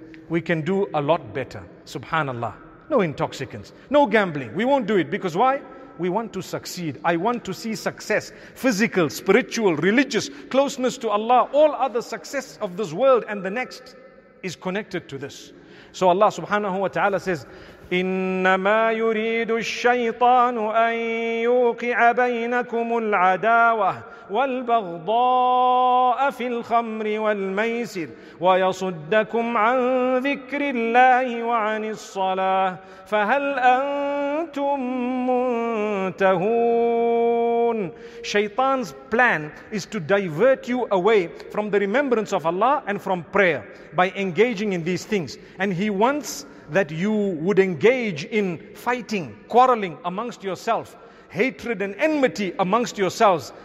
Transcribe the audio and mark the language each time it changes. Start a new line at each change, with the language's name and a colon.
English: We can do a lot better. Subhanallah. No intoxicants. No gambling. We won't do it. Because why? We want to succeed. I want to see success. Physical, spiritual, religious, closeness to Allah. All other success of this world and the next is connected to this.
Arabic: So Allah subhanahu wa ta'ala says, إنما يريد الشيطان أن يوقع بينكم العداوة والبغضاء في الخمر والميسر ويصدكم عن ذكر الله وعن الصلاة فهل أنتم منتهون.
English: Shaitan's plan is to divert you away from the remembrance of Allah and from prayer by engaging in these things, and he wants that you would engage in fighting, quarreling amongst yourself, hatred and enmity amongst yourselves.